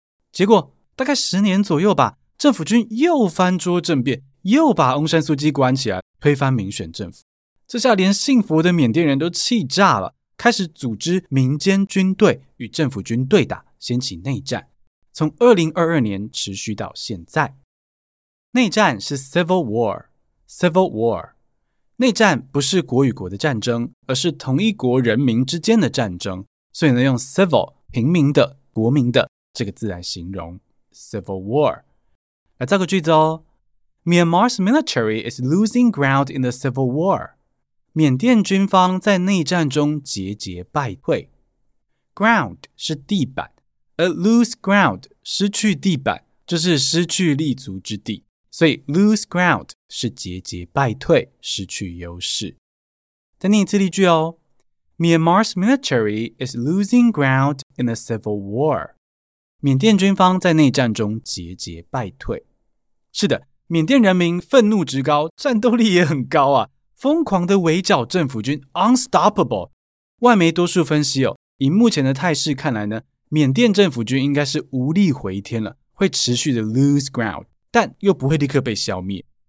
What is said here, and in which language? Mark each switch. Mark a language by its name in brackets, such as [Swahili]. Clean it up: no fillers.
[Chinese] 结果大概10年左右吧，政府军又翻桌政变，又把翁山苏姬关起来，推翻民选政府。这下连幸福的缅甸人都气炸了，开始组织民间军队与政府军对打，掀起内战，从2022年持续到现在。内战是 civil war， civil war。内战不是国与国的战争，而是同一国人民之间的战争，所以呢，用 civil 平民的、国民的这个字来形容 civil war。来造个句子哦。 [English] Myanmar's military is losing ground in the civil war. [Chinese] 缅甸军方在内战中节节败退。 Ground 是地板， a lose ground 失去地板，就是失去立足之地。所以 lose ground 是节节败退，失去优势。再念一次例句哦。 [English] Myanmar's military is losing ground in the civil war. [Chinese] 缅甸军方在内战中节节败退。是的，缅甸人民愤怒值高，战斗力也很高啊，疯狂的围剿政府军 unstoppable。外媒多数分析哦，以目前的态势看来呢，缅甸政府军应该是无力回天了，会持续的 lose ground， 但又不会立刻被消灭。